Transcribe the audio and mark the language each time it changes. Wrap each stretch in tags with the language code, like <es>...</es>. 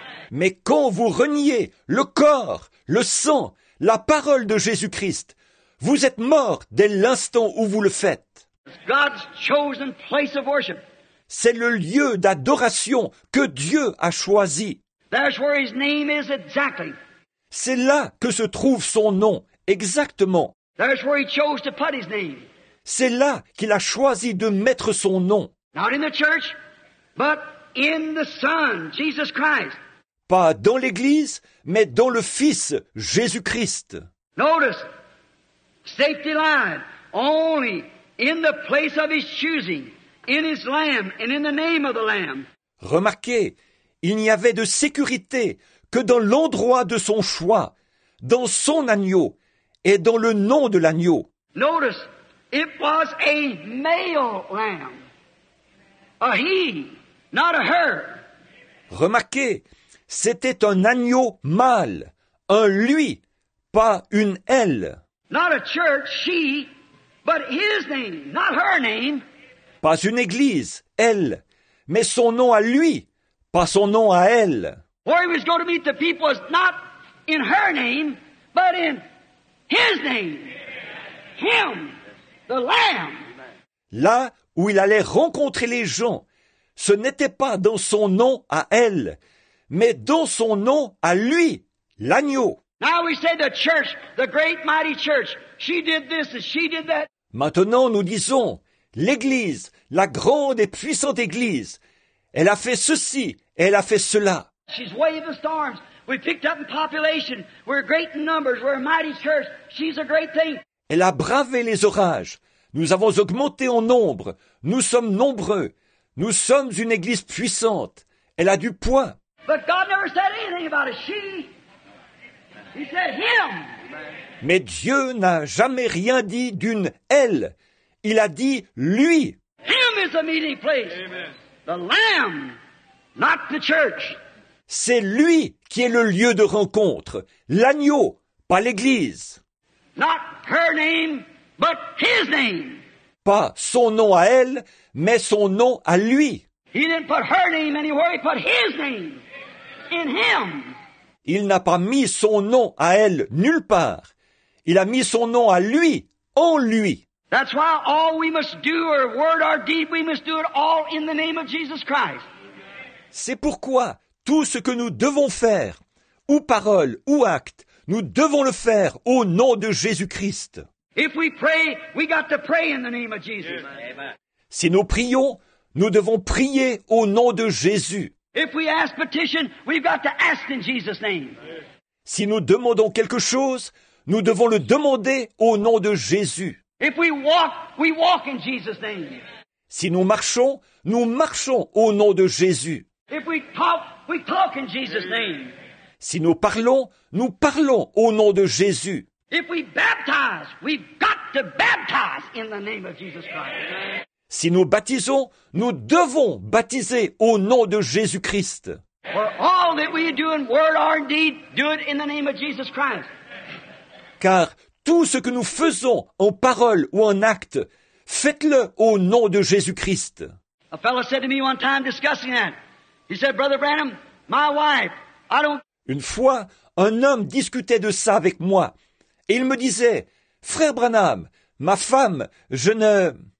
<fr>Mais quand vous reniez le corps, le sang, la parole de Jésus-Christ, vous êtes mort dès l'instant où vous le faites.</fr> <en>God's chosen place of worship.</en> <fr>C'est le lieu d'adoration que Dieu a choisi.</fr> <en>That's where his name is exactly.</en> <fr>C'est là que se trouve son nom, exactement.</fr> <en>That's where he chose to put his name.</en> <fr>C'est là qu'il a choisi de mettre son nom.</fr> <en>Not in the church, but in the Son, Jesus Christ.</en> <fr>Pas dans l'Église, mais dans le Fils, Jésus-Christ.</fr> <en>Notice, safety line, only in the place of his choosing, in his Lamb, and in the name of the Lamb.</en> <fr>Remarquez, il n'y avait de sécurité que dans l'endroit de son choix, dans son agneau, et dans le nom de l'agneau.</fr> <en>Notice, it was a male lamb. A he, not a her.</en> <fr>Remarquez, c'était un agneau mâle, un lui, pas une elle.</fr> <en>Not a church, she, but his name, not her name.</en> <fr>Pas une église, elle, mais son nom à lui, pas son nom à elle.</fr> <en>Where he was going to meet the people was not in her name, but in his name, him, the Lamb.</en> <fr>Là où il allait rencontrer les gens, ce n'était pas dans son nom à elle, mais dans son nom à lui, l'agneau.</fr> <en>Now we say the church, the great mighty church, she did this and she did that.</en> <fr>Maintenant nous disons, l'Église, la grande et puissante Église, elle a fait ceci, elle a fait cela.</fr> <en>She's waved the storms. We picked up in population. We're great in numbers. We're a mighty church. She's a great thing.</en> <fr>Elle a bravé les orages. Nous avons augmenté en nombre. Nous sommes nombreux. Nous sommes une église puissante. Elle a du poids.</fr> <en>But God never said anything about a she. He said him.</en> <fr>Mais Dieu n'a jamais rien dit d'une elle. Il a dit lui.</fr> <en>Him is the meeting place. Amen. The Lamb, not the church.</en> <fr>C'est lui qui est le lieu de rencontre, l'agneau, pas l'église.</fr> <en>Not her name, but his name.</en> <fr>Pas son nom à elle, mais son nom à lui.</fr> <en>He didn't put her name anywhere, he put his name in him.</en> <fr>Il n'a pas mis son nom à elle nulle part. Il a mis son nom à lui, en lui.</fr> <en>That's why all we must do, or word or deed, we must do it all in the name of Jesus Christ.</en> <fr>C'est pourquoi tout ce que nous devons faire, ou parole, ou acte, nous devons le faire au nom de Jésus-Christ.</fr> <en>If we pray, we got to pray in the name of Jesus.</en> <fr>Si nous prions, nous devons prier au nom de Jésus.</fr> <en>If we ask petition, we've got to ask in Jesus' name.</en> <fr>Si nous demandons quelque chose, nous devons le demander au nom de Jésus.</fr> <en>If we walk, we walk in Jesus' name.</en> <fr>Si nous marchons, nous marchons au nom de Jésus.</fr> <en>If we talk, we talk in Jesus' name.</en> <fr>Si nous parlons au nom de Jésus.</fr> <en>If we baptize, we've got to baptize in the name of Jesus Christ.</en> <fr>Si nous baptisons, nous devons baptiser au nom de Jésus-Christ.</fr> <en>For all that we do in word or in deed, do it in the name of Jesus Christ.</en> <fr>Car tout ce que nous faisons en parole ou en acte, faites-le au nom de Jésus-Christ.</fr> <en>A fellow said to me one time discussing that. He said, Brother Branham, my wife, I don't...</en> <fr>Une fois, un homme discutait de ça avec moi. Et il me disait, Frère Branham, ma femme, je ne...</fr>